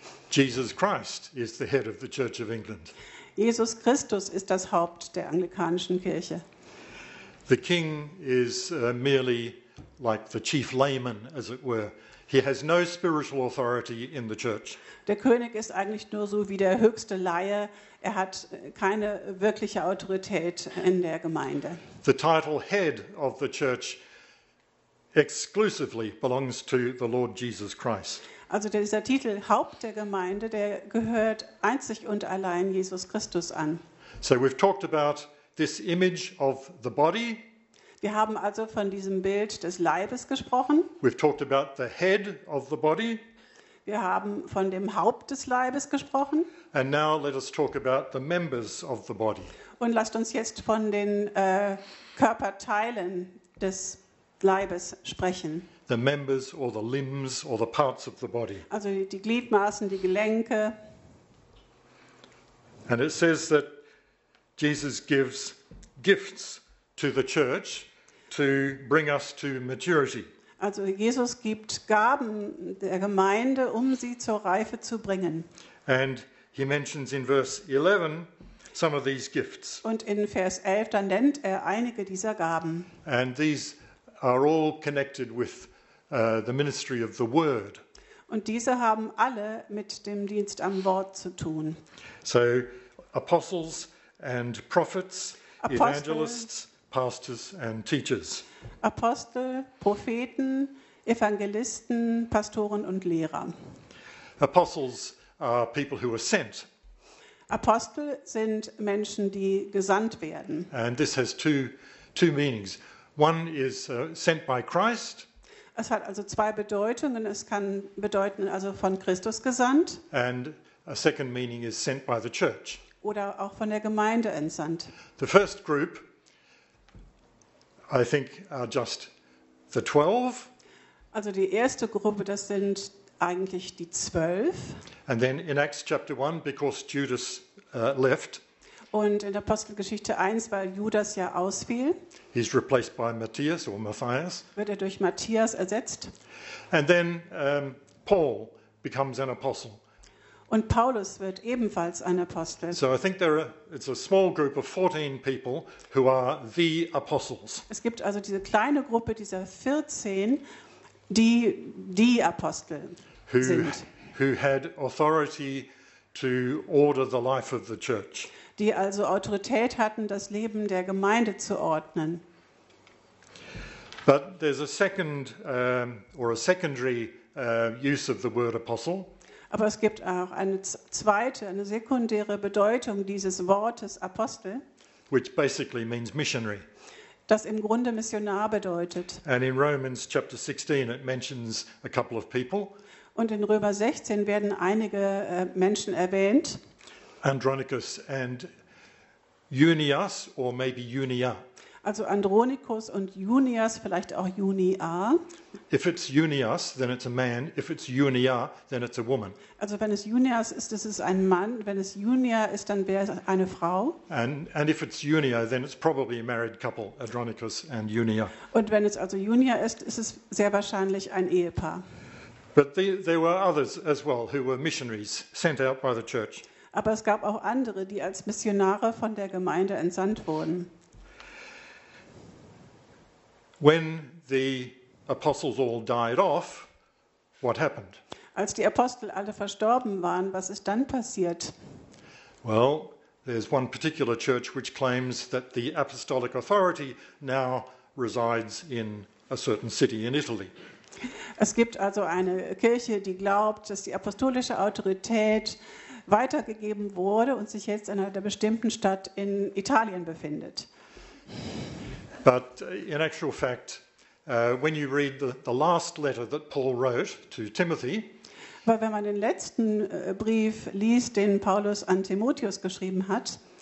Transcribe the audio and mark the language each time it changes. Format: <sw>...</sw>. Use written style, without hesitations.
<en>Jesus Christ is the head of the Church of England.</en> <de>Jesus Christus ist das Haupt der anglikanischen Kirche.</de> <en>The king is merely like the chief layman, as it were. He has no spiritual authority in the church.</en> <de>Der König ist eigentlich nur so wie der höchste Laie. Er hat keine wirkliche Autorität in der Gemeinde.</de> <en>The title head of the church exclusively belongs to the Lord Jesus Christ.</en> <de>Also dieser Titel Haupt der Gemeinde, der gehört einzig und allein Jesus Christus an.</de> <en>So we've talked about this image of the body.</en> <de>Wir haben also von diesem Bild des Leibes gesprochen.</de> <en>We've talked about the head of the body.</en> <de>Wir haben von dem Haupt des Leibes gesprochen.</de> <en>And now let us talk about the members of the body.</en> <de>Und lasst uns jetzt von den Körperteilen des Leibes sprechen.</de> <en>The members or the limbs or the parts of the body.</en> <de>Also die Gliedmaßen, die Gelenke.</de> <en>And it says that Jesus gives gifts to the church to bring us to maturity.</en> <de>Also Jesus gibt Gaben der Gemeinde, um sie zur Reife zu bringen.</de> <en>And he mentions in verse 11 some of these gifts.</en> <de>Und in Vers 11 dann nennt er einige dieser Gaben.</de> <en>And these are all connected with the ministry of the word.</en> <de>Und diese haben alle mit dem Dienst am Wort zu tun.</de> <en>So apostles and prophets, evangelists, pastors and teachers.</en> <de>Apostel, Propheten, Evangelisten, Pastoren und Lehrer.</de> <en>Apostles are people who are sent.</en> <de>Apostel sind Menschen, die gesandt werden.</de> <en>And this has two meanings. One is sent by Christ.</en> <de>Es hat also zwei Bedeutungen. Es kann bedeuten, also von Christus gesandt.</de> <en>And a second meaning is sent by the church.</en> <de>Oder auch von der Gemeinde entsandt.</de> <en>The first group, I think, are just the 12.</en> <de>Also die erste Gruppe, das sind eigentlich die 12.</de> <en>And then in Acts chapter 1, because Judas left.</en> <de>Und in Apostelgeschichte 1, weil Judas ja ausfiel,</de> <en>he's replaced by Matthias or Matthias.</en> <de>Wird er durch Matthias ersetzt.</de> <en>And then Paul becomes an apostle.</en> <de>Und Paulus wird ebenfalls ein Apostel.</de> <en>So I think it's a small group of 14 people who are the apostles.</en> <de>Es gibt also diese kleine Gruppe dieser 14, die Apostel sind.</de> <en>Who had authority to order the life of the church.</en> <de>Die also Autorität hatten, das Leben der Gemeinde zu ordnen.</de> <en>But there's a second or a secondary use of the word apostle.</en> <de>Aber es gibt auch eine sekundäre Bedeutung dieses Wortes Apostel,</de> <en>which basically means missionary.</en> <de>Das im Grunde Missionar bedeutet.</de> <en>And in Romans chapter 16 it mentions a couple of people.</en> <de>Und in Römer 16 werden einige Menschen erwähnt.</de> <en>Andronicus and Junias, or maybe Junia.</en> <de>Also Andronicus und Junias, vielleicht auch Junia.</de> <en>If it's Junias, then it's a man. If it's Junia, then it's a woman.</en> <de>Also wenn es Junias ist, das ist ein Mann. Wenn es Junia ist, dann wäre es eine Frau.</de> <en>And if it's Junia, then it's probably a married couple, Andronicus and Junia.</en> <de>Und wenn es also Junia ist, ist es sehr wahrscheinlich ein Ehepaar.</de> <en>But there were others as well who were missionaries sent out by the church.</en> <de>Aber es gab auch andere, die als Missionare von der Gemeinde entsandt wurden.</de> <en>When the apostles all died off, what happened?</en> <de>Als die Apostel alle verstorben waren, was ist dann passiert?</de> <en>Well, there's one particular church which claims that the apostolic authority now resides in a certain city in Italy.</en> <de>Es gibt also eine Kirche, die glaubt, dass die apostolische Autorität weitergegeben wurde und sich jetzt in einer bestimmten Stadt in Italien befindet.</de> <en>But in actual fact, When you read the last letter that Paul wrote to Timothy,</en> <de>weil wenn man den letzten Brief liest, den Paulus an Timotheus geschrieben hat,</de>